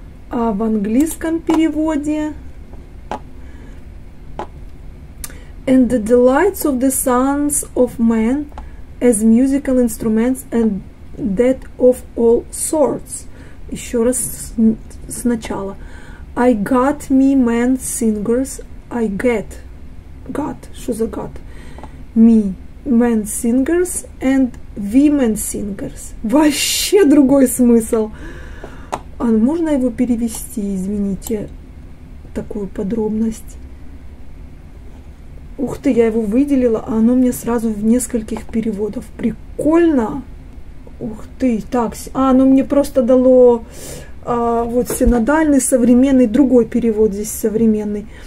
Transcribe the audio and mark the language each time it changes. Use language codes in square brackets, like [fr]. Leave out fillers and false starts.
[ru] А в английском переводе [en] and the delights of the sons of men as musical instruments and that of all sorts. [ru] Еще раз сначала. [en] I got me men singers, I get. [ru] Got, что за got? [en] Me, men singers and women singers. [ru] Вообще другой смысл. А можно его перевести, извините, такую подробность? Ух ты, я его выделила, а оно мне сразу в нескольких переводах. Прикольно! Ух ты, так, а оно мне просто дало вот синодальный, современный, другой перевод здесь современный.